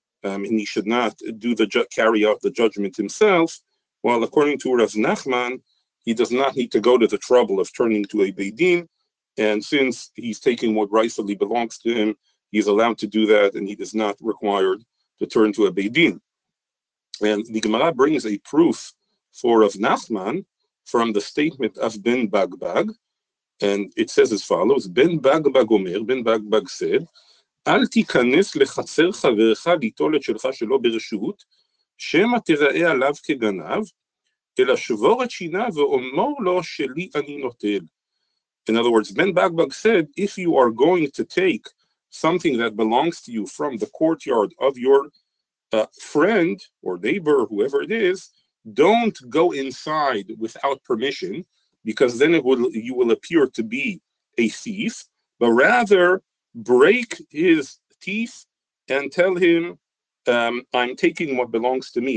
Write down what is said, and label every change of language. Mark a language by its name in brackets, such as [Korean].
[English] And he should not do the carry out the judgment himself. While according to Rav Nachman, he does not need to go to the trouble of turning to a Beit Din, and since he's taking what rightfully belongs to him, he's allowed to do that, and he is not required to turn to a Beit Din. And the Gemara brings a proof for Rav Nachman from the statement of Ben Bagbag, and it says as follows: Ben Bagbag Omer, Ben Bagbag said, [Hebrew] אל תיכנס לחצר חברך ליטול את שלך שלא ברשות, שמא תראה עליו כגנב, אלא שבור את שיניו ואומר לו שלי אני נוטל. [English] In other words, Ben Bagbag said, if you are going to take something that belongs to you from the courtyard of your friend or neighbor, whoever it is, don't go inside without permission, because then you will appear to be a thief, but rather break his teeth and tell him, I'm taking what belongs to me.